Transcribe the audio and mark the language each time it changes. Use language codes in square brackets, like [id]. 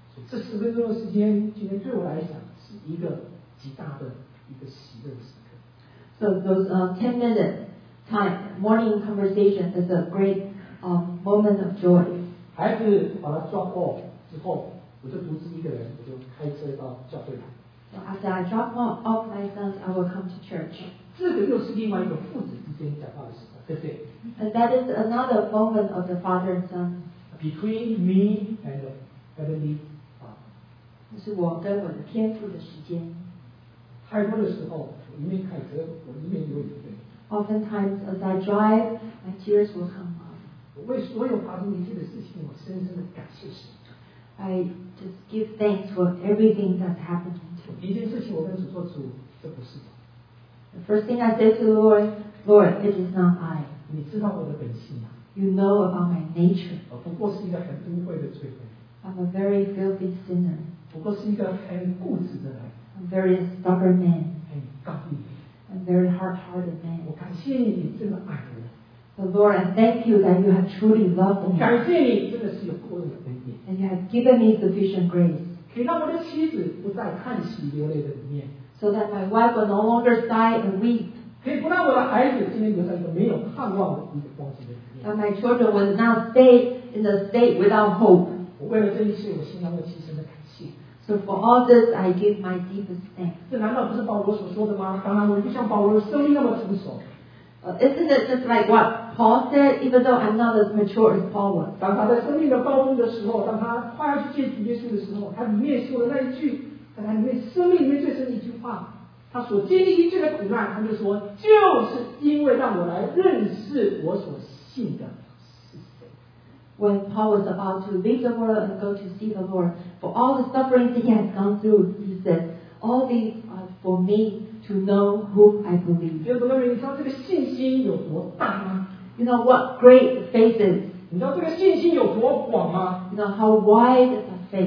[zh] 这十分钟的时间，今天对我来讲是一个极大的一个喜乐的时刻。 [en] So those 10 minutes time morning conversation is a great moment of joy. [zh] 孩子把他抓过之后，我就独自一个人，我就开车到教会来。 [en] So after I drop off my sons, I will come to church. [zh] 这个又是另外一个父子之间讲话的时刻，对不对？ [en] And that is another moment of the father and son. Between me and the heavenly father. [zh] 这是我跟我的天父的时间。开车的时候，我一面开车，我一面流眼泪。 [en] Oftentimes, as I drive, my tears will come up. [zh] 我为所有发生一切的事情，我深深的感谢神。 [en] I just give thanks for everything that's happened. [zh] 第一件事情，我跟主说：“主，这不是我。” [en] The first thing I said to the Lord, Lord, it is not I. [zh] 你知道我的本性啊。 [en] You know about my nature. [zh] 我不过是一个很污秽的罪人。 [en] I'm a very filthy sinner. [zh] 不过是一个很固执的人。 [en] I'm a very stubborn man. [zh] 很刚硬。 [en] I'm a very hard-hearted man. [zh] 我感谢你这么爱我。 [en] The Lord, I thank you that you have truly loved me. [zh] 感谢你真的是有够的恩典。 [en] And you have given me sufficient grace. [zh] 可以让我的妻子不再叹息流泪的里面。 [en] So that my wife will no longer sigh and weep. [zh] 可以不让我的孩子今天留在一个没有盼望的一个光景里面。 [en] That my children will not stay in a state without hope. [zh] 我为了这一切，我心中会牺牲的感谢。 [en] So for all this, I give my deepest thanks. [zh] 这难道不是保罗所说的吗？当然，我不像保罗的生命那么成熟。 [en] Isn't it just like what Paul said? Even though I'm not as mature as Paul was. [zh] 当他在生命的暴风的时候，当他快要去接主耶稣的时候，他里面说的那一句，在他里面生命里面最深的一句话，他所经历一切的苦难，他就说，就是因为让我来认识我所信的是谁。 [en] When Paul was about to leave the world and go to see the Lord, for all the suffering he has gone through, he said, all these are for me. To know who I believe. You know what great faith is. You know how wide is the faith.